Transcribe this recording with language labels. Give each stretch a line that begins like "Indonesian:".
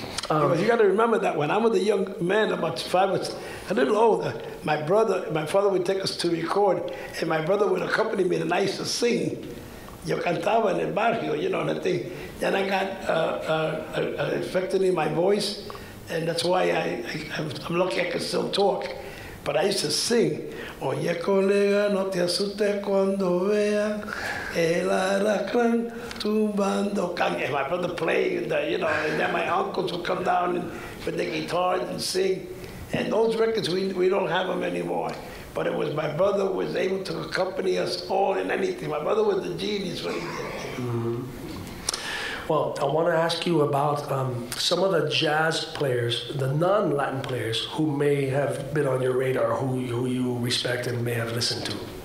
English: You got to remember that when I was a young man, about five or a little older, my father would take us to record, and my brother would accompany me, and I used to sing.
Spanish: Yo cantaba en el barrio,
English: you know, the thing. Then I got affected in my voice, and that's why I'm lucky I can still talk. But I used to sing.
Spanish: Oye, colega, no te asustes cuando vea el aracran tumbando.
English: And my brother played, you know, and then my uncles would come down with the guitar and sing. And those records, we don't have them anymore. But it was my brother who was able to accompany us all in anything. My brother was a genius when he did it. Well, I want to ask you about some of the jazz players, the non-Latin players, who may have been on your radar, who you respect and may have listened to.